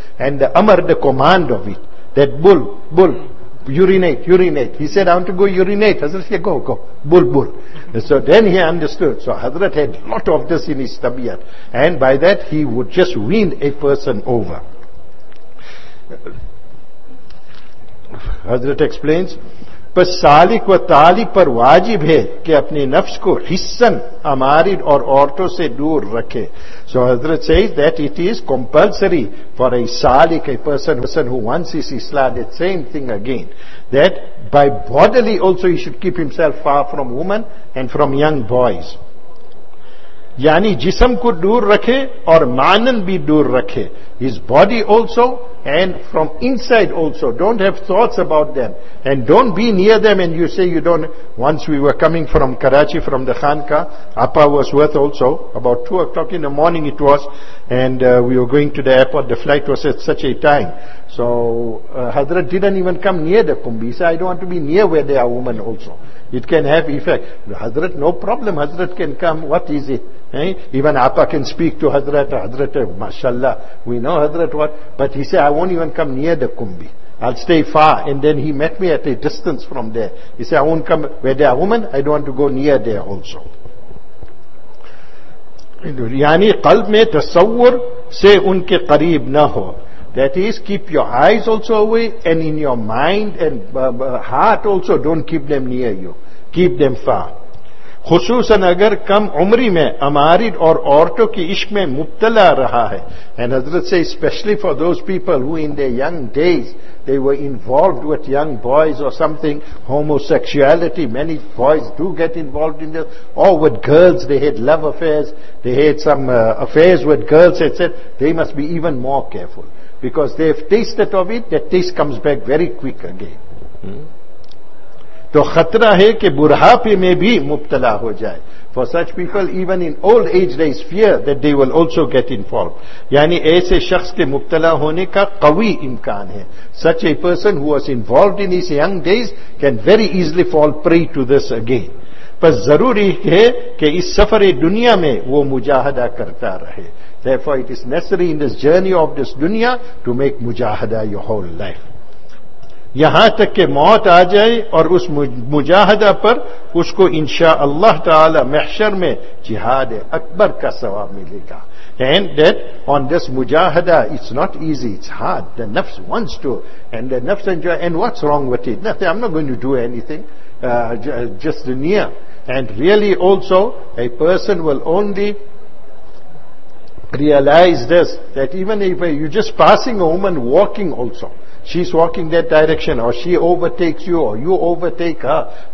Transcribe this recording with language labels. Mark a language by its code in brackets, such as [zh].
[en] And the Amr, the command of it. That bul. Urinate. He said, I want to go urinate. Hazrat said, go. Bulbul. So then he understood. So Hazrat had a lot of this in his tabiat. And by that, he would just win a person over. Hazrat explains, [ur] پس سالک و تالی پر واجب ہے کہ اپنی نفس کو حصن امارد اور عورتوں سے دور رکھے. [en] So حضرت says that it is compulsory for a salik, a person who wants his islah, that same thing again, that by bodily also he should keep himself far from women and from young boys. [ur] یعنی جسم کو دور رکھے اور مانن بھی دور رکھے. [en] His body also and from inside also. Don't have thoughts about them. And don't be near them and you say you don't. Once we were coming from Karachi, from the Khanka, Appa was with also. About 2 o'clock in the morning it was. And we were going to the airport. The flight was at such a time. So Hadrat didn't even come near the Kumbh. He said, I don't want to be near where there are women also. It can have effect. Hadrat, no problem. Hadrat can come. What is it? Hey? Even Appa can speak to Hadrat. Hadrat, mashallah. We know Hadrat what. But he said, I won't even come near the Kumbh. I'll stay far. And then he met me at a distance from there. He said, I won't come where there are women. I don't want to go near there also. [ur] یعنی قلب میں تصور سے ان کے قریب نہ ہو. [en] That is, keep your eyes also away, and in your mind and heart also, don't keep them near you. Keep them far. [ur] خصوصاً اگر کم عمری میں امارد اور عورتوں کی عشق میں مبتلا رہا ہے. [en] And حضرت say, especially for those people who in their young days, they were involved with young boys or something, homosexuality, many boys do get involved in this, or with girls, they had love affairs, they had some affairs with girls, etc. They must be even more careful. Because they have tasted of it, that taste comes back very quick again. [ur] تو خطرہ ہے کہ بڑھاپے میں بھی مبتلا ہو جائے. [en] For such people, even in old age, there is fear that they will also get involved. [ur] یعنی ایسے شخص کے مبتلا ہونے کا قوی امکان ہے. [en] Such a person who was involved in his young days can very easily fall prey to this again. [ur] پس ضروری ہے کہ اس سفر دنیا میں وہ مجاہدہ کرتا رہے. [en] Therefore, it is necessary in this journey of this dunya to make mujahada your whole life. [ur] یہاں تک کہ موت آ جائے اور اس مجاہدہ پر اس کو انشاءاللہ تعالی محشر میں جہاد اکبر کا ثواب ملے گا. [en] And that on this mujahada, it's not easy, it's hard. The nafs wants to, and the nafs enjoy, and what's wrong with it? Nothing, I'm not going to do anything, just the near. And really also, a person will only realize this, that even if you're just passing a woman walking also, she's walking that direction, or she overtakes you, or you overtake her.